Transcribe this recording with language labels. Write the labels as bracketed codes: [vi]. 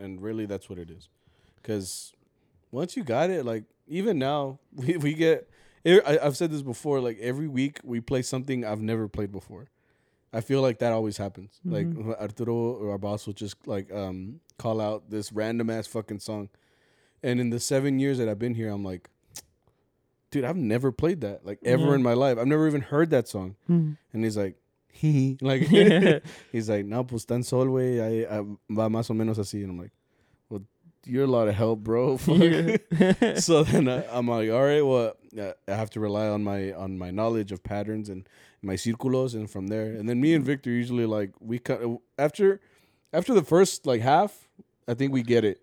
[en] And really, that's what it is. Because once you got it, like, even now, we get, I've said this before, like, every week we play something I've never played before. I feel like that always happens. Mm-hmm. Like, Arturo or our boss will just, like, call out this random ass fucking song. And in the 7 years that I've been here, I'm like, dude, I've never played that, like, ever in my life. I've never even heard that song. Mm-hmm. And he's like, like, <Yeah. [es] laughs> [en] he's like, [es] no, pues tan sol, wey, va más o menos así. [en] And I'm like, well, you're a lot of help, bro. So then I'm like, all right, well, I have to rely on my knowledge of patterns and my circulos, and from there. And then me and Victor usually, like, we cut after the first, like, half, I think we get it.